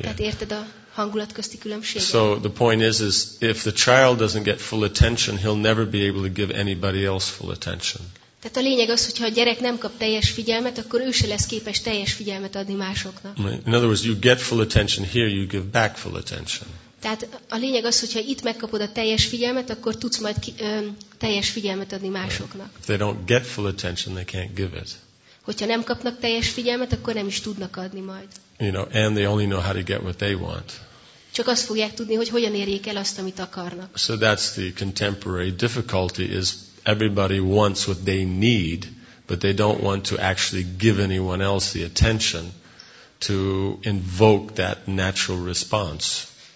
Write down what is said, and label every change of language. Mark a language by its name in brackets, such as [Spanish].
[Hungarian] Tehát érted a hangulat közti különbséget? [English] So the point is if the child doesn't get full attention, he'll never be able to give anybody else full attention. [Hungarian] Tehát a lényeg az, hogyha a gyerek nem kap teljes figyelmet, akkor ő se lesz képes teljes figyelmet adni másoknak. [English] In other words, you get full attention here, you give back full attention. [Hungarian] Tehát a lényeg az, hogyha itt megkapod a teljes figyelmet, akkor tudsz majd teljes figyelmet adni másoknak. [English] If they don't get full attention, they can't give it. [Hungarian] Hogyha nem kapnak teljes figyelmet, akkor nem is tudnak adni majd. [English] You know, and they only know how to get what they want. [Hungarian] Csak azt fogják tudni, hogy hogyan érjék el azt, amit akarnak. [English] So that's the contemporary difficulty is everybody wants what they need, but they don't want to actually give anyone else the attention to invoke that natural response.